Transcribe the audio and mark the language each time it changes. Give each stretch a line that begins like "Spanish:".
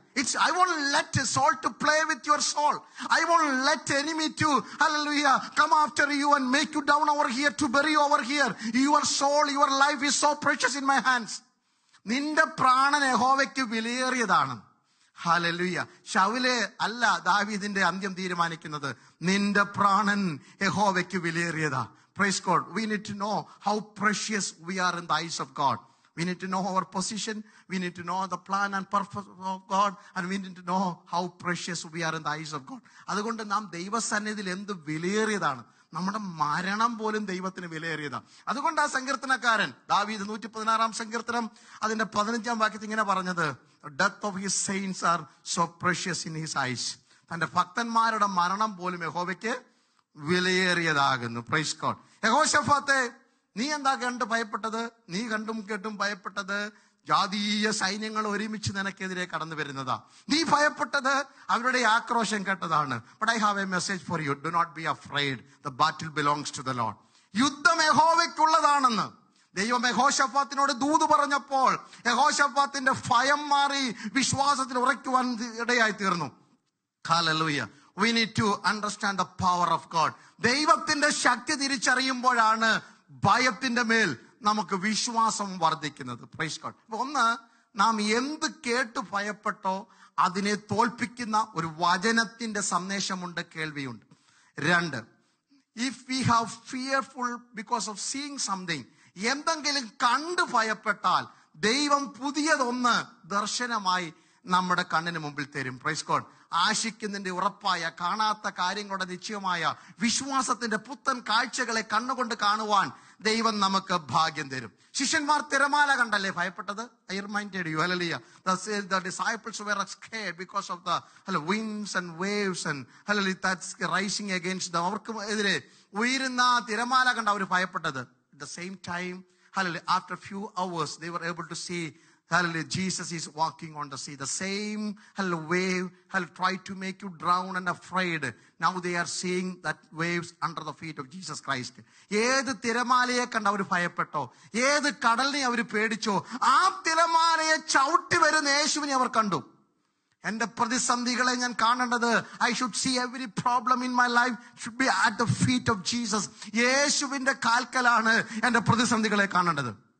English: It's I won't let soul to play with your soul. I won't let enemy to hallelujah come after you and make you down over here to bury over here. Your soul, your life is so precious in my hands.
Malayalam: നിന്റെ പ്രാണൻ യഹോവയ്ക്ക് വിലയേറിയതാണ്.
English: ഹല്ലേലൂയ.
Malayalam: ശൗലെ അല്ല ദാവീദിന്റെ അന്ത്യം തീരുമാനിക്കുന്നത്, നിന്റെ പ്രാണൻ യഹോവയ്ക്ക് വിലയേറിയതാ.
English: Praise God. We need to know how precious we are in the eyes of God. We need to know our position. We need to know the plan and purpose of God. And we need to know how precious we are in the eyes of God.
Malayalam: അതുകൊണ്ട് നാം ദൈവസന്നിധിയിൽ എന്ത് വിലയേറിയതാണ്. നമ്മുടെ മരണം പോലും ദൈവത്തിന് വിലയേറിയതാണ്. അതുകൊണ്ട് ആ സങ്കീർത്തനക്കാരൻ ദാവീദ് 116 സങ്കീർത്തനം അതിന്റെ 15 വാക്യത്തിൽ ഇങ്ങനെ പറഞ്ഞത്,
English: death of his saints are so precious in his eyes.
Malayalam: തന്റെ ഭക്തന്മാരുടെ മരണം പോലും യഹോവയ്ക്ക് വിലയേറിയതാകുന്നു.
English: Praise God.
Malayalam: യഹോശഫാത്തെ, നീ എന്താ കണ്ട് ഭയപ്പെട്ടത്? നീ കണ്ടും കേട്ടും ഭയപ്പെട്ടത് ജാതീയ സൈന്യങ്ങൾ ഒരുമിച്ച് നിനക്കെതിരെ കടന്നു വരുന്നതാ. നീ ഭയപ്പെട്ടത് അവരുടെ ആക്രോശം കേട്ടതാണ്.
English: But I have a message for you, do not be afraid. The battle belongs to the Lord.
Malayalam: യുദ്ധം യഹോവയ്ക്കുള്ളതാണെന്ന് ദൈവം യഹോശഫാത്തിനോട് ദൂത് പറഞ്ഞപ്പോൾ യഹോശഫാത്തിന്റെ ഭയം മാറി വിശ്വാസത്തിൽ ഉറയ്ക്കുവാൻ ഇടയായി തീർന്നു. Hallelujah.
English: We need to understand the power of God.
Malayalam: ദൈവത്തിന്റെ ശക്തി തിരിച്ചറിയുമ്പോഴാണ് ഭയത്തിന്റെ മേൽ നമുക്ക് വിശ്വാസം വർദ്ധിക്കുന്നത്.
English: Praise God.
Malayalam: ഒന്ന്, നാം എന്ത് കേട്ട് ഭയപ്പെട്ടോ അതിനെ തോൽപ്പിക്കുന്ന ഒരു വചനത്തിന്റെ സന്ദേശമുണ്ട്, കേൾവിയുണ്ട്. രണ്ട്,
English: if we have fearful because of seeing something,
Malayalam: എന്തെങ്കിലും കണ്ട് ഭയപ്പെട്ടാൽ ദൈവം പുതിയതൊന്ന് ദർശനമായി നമ്മുടെ കണ്ണിന് മുമ്പിൽ തരും.
English: Praise God.
Malayalam: ആശിക്കുന്നതിന്റെ ഉറപ്പായ, കാണാത്ത കാര്യങ്ങളുടെ നിശ്ചയമായ, വിശ്വാസത്തിന്റെ പുത്തൻ കാഴ്ചകളെ കണ്ണുകൊണ്ട് കാണുവാൻ ദൈവം നമുക്ക് ഭാഗ്യം തരും. ശിഷ്യന്മാർ തിരമാല കണ്ടല്ലേ ഭയപ്പെട്ടത്?
English: I remind you,
Malayalam: hallelujah.
English: The disciples were scared because of the winds and waves and hallelujah that's rising against them.
Malayalam: അവർക്ക് എതിരെ ഉയരുന്ന തിരമാല കണ്ട് അവർ ഭയപ്പെട്ടത്.
English: The same time hallelujah after few hours they were able to see Hallelujah, Jesus is walking on the sea. The same wave tried to make you drown and afraid. Now they are seeing that waves under the feet of Jesus Christ.
Malayalam: ഏത് തിരമാലയെ കണ്ട് അവർ ഭയപ്പെട്ടോ, ഏത് കടലിനെ അവർ പേടിച്ചോ, ആ തിരമാലയെ ചവിട്ടി വരുന്ന യേശുവിനെ അവർ കണ്ടു. എന്റെ പ്രതിസന്ധികളെ ഞാൻ കാണേണ്ടത്,
English: I should see every problem in my life should be at the feet of Jesus.
Malayalam: യേശുവിന്റെ കാൽക്കലാണ് എന്റെ പ്രതിസന്ധികളെ കാണേണ്ടത്.